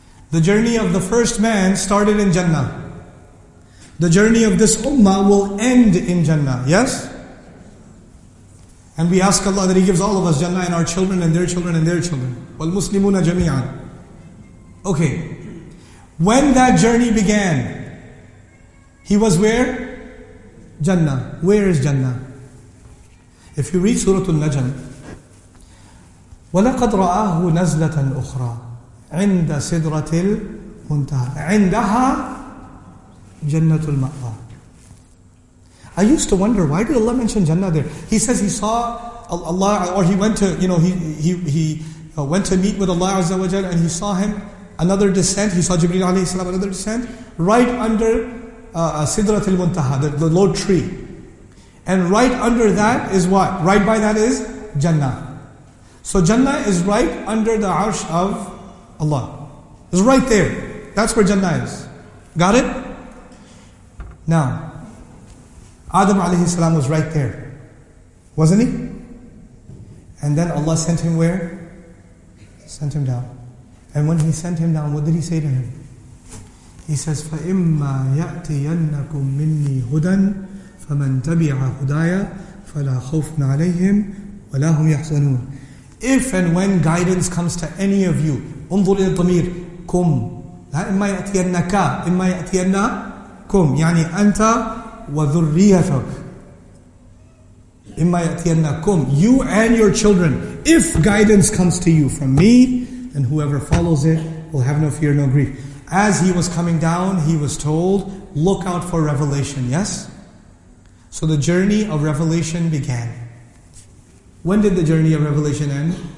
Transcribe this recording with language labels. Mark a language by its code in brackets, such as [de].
[en] The journey of the first man started in Jannah. The journey of this ummah will end in Jannah, yes? And we ask Allah that He gives all of us Jannah and our children and their children and their children. [ar] وَالْمُسْلِمُونَ جَمِيعًا. Okay. [en] When that journey began, He was where? Jannah. Where is Jannah? If you read Surah Al-Najm, [ar] وَلَقَدْ رَآهُ نَزْلَةً أُخْرَى عِنْدَ سِدْرَةِ الْمُنْتَهَى عِنْدَهَا جَنَّةُ الْمَأْوَى. [en] I used to wonder, why did Allah mention Jannah there? He says He saw Allah, or He went to, you know, He went to meet with Allah Azza wa Jal, and He saw Him, another descent, He saw Jibreel alayhi salam, another descent, right under Sidratul Muntaha, the low tree. And right under that is what? Right by that is Jannah. So Jannah is right under the arsh of Allah. It's right there. That's where Jannah is. Got it? Now, Adam alayhi salam was right there, wasn't he? And then Allah sent him where? Sent him down. And when He sent him down, what did He say to him? He says, [ar] فَإِمَّا يَأْتِيَنَّكُم مِّنِّي هُدًى فَمَنْ تَبِعَ هُدَايَ فَلَا خَوْفٌ عَلَيْهِمْ وَلَا هُمْ يَحْزَنُونَ. [en] If and when guidance comes to any of you, [ar] انظر إلى الضمير كُم. إِمَّا يَأْتِيَنَّكَ إِمَّا يَأْتِيَنَّكُم يعني أنت وذريتك. إِمَّا يَأْتِيَنَّكُمْ [en] you and your children. If guidance comes to you from me, then whoever follows it will have no fear, no grief. As He was coming down, He was told, look out for revelation, yes? So the journey of revelation began. When did the journey of revelation end?